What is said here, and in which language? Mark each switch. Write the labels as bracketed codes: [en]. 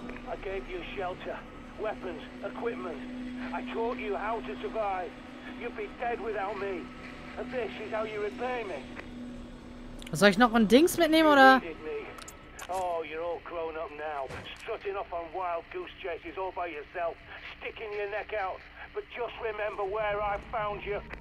[en] I gave you shelter, weapons, equipment. I taught you how to survive. You'd be dead without me. And this is how you repay me. [de] Soll ich noch ein Dings mitnehmen, oder? [en] Oh, you're all grown up now, strutting off on wild goose chases all by yourself, sticking your neck out. But just remember where I found you.